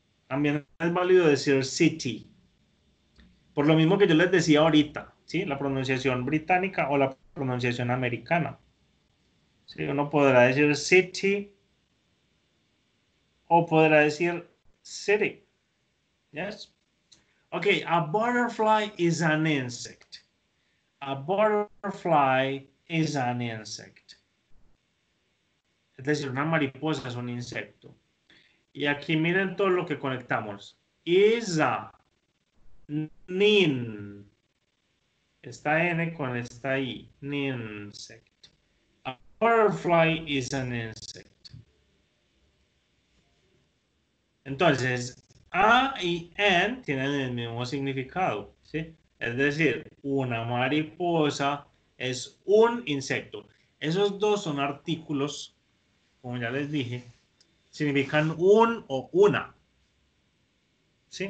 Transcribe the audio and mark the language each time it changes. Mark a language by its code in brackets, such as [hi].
[es] También es válido decir city. Por lo mismo que yo les decía ahorita, ¿sí? La pronunciación británica o la pronunciación americana. ¿Sí? Uno podrá decir city o podrá decir city. [en] Yes. Okay, a butterfly is an insect. A butterfly is an insect. [es] Es decir, una mariposa es un insecto. Y aquí miren todo lo que conectamos. [en] Is a nin. [es] Esta N con esta I. Ninsect. [en] A butterfly is an insect. [es] Entonces, A y N tienen el mismo significado, ¿sí? Es decir, una mariposa es un insecto. Esos dos son artículos, como ya les dije, significan un o una. ¿Sí?